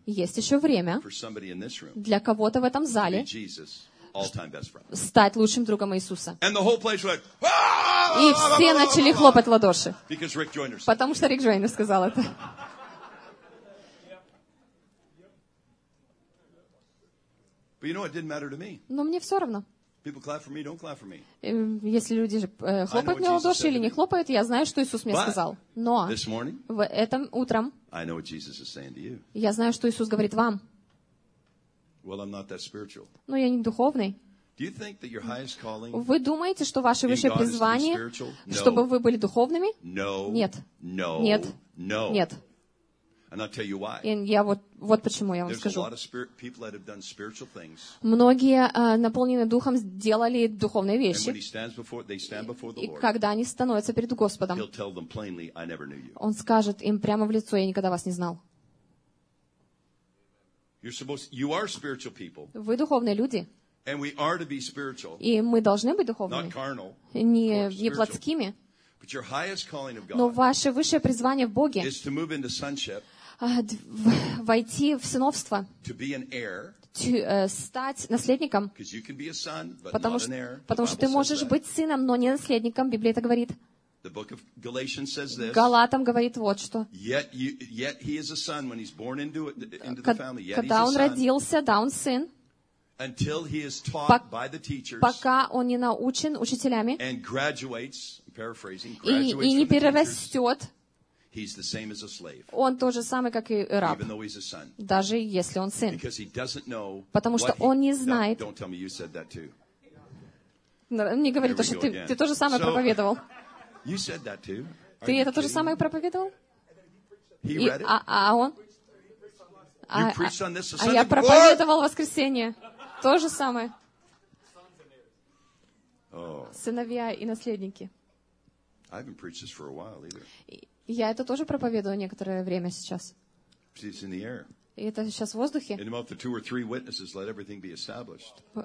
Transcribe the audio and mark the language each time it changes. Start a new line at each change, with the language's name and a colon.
Russian: Есть еще время.
English: For somebody in this room.
Russian: Для кого-то в этом зале.
English: Jesus, all-time best friend.
Russian: Стать лучшим другом Иисуса.
English: And the whole place went.
Russian: И все начали хлопать в ладоши.
English: Because Rick Joyner.
Russian: Потому что Рик Джойнер сказал это.
English: But you know, it didn't matter to me.
Russian: Но мне все равно.
English: People clap for me, don't clap for me.
Russian: Если люди хлопают мне в ладоши или не хлопают, я знаю, что Иисус мне сказал. Но
English: this morning,
Russian: в этом утром
English: I know what Jesus is saying to you.
Russian: Я знаю, что Иисус говорит вам.
English: Well, I'm not that spiritual.
Russian: Но я не духовный.
English: Do you think that your highest calling
Russian: вы думаете, что ваше высшее призвание, чтобы вы были духовными?
English: No.
Russian: Нет.
English: No.
Russian: Нет.
English: No.
Russian: Нет.
English: And I'll tell you why.
Russian: И я вот почему я вам скажу.
English: There's a lot of spirit, people that have done spiritual things.
Russian: Многие наполнены духом сделали духовные вещи.
English: And when he stands before, they stand before the Lord.
Russian: И когда они становятся перед Господом.
English: He'll tell them plainly, I never knew you.
Russian: Он скажет им прямо в лицо, я никогда вас не знал.
English: You are spiritual people.
Russian: Вы духовные люди.
English: And we are to be spiritual.
Russian: И мы должны быть духовными.
English: Not carnal.
Russian: Не плотскими.
English: But your highest calling of God.
Russian: Но ваше высшее призвание в Боге.
English: Is to move into sonship.
Russian: Войти в сыновство.
English: To be an heir.
Russian: Стать наследником.
English: Because you can be a son, but
Russian: потому
English: not an heir.
Russian: Потому что ты можешь быть сыном, но не наследником. Библия это говорит.
English: The book of Galatians says this.
Russian: Галатам говорит вот что.
English: Yet he is a son when he's born into the family. Yet
Russian: когда он родился, да, он сын.
English: Until he is taught by the teachers.
Russian: Пока он не научен учителями.
English: And graduates, I'm paraphrasing, graduates. He's the same as a slave.
Russian: Он тот же самый, как и раб.
English: Even though he's a son.
Russian: Даже если он сын.
English: Because he doesn't know.
Russian: Потому что он не знает.
English: Don't tell me you said that too.
Russian: Не говори то, что ты то же самое проповедовал.
English: You said that too.
Russian: Ты это то же самое проповедовал?
English: He read it.
Russian: А он?
English: You preached on this Sunday.
Russian: А я проповедовал воскресенье. То же самое. Сыновья и наследники.
English: I haven't preached this for a while either.
Russian: Я это тоже проповедовал некоторое время сейчас.
English: It's in the air.
Russian: И это сейчас в воздухе.
English: In about the two or three witnesses, let everything be established.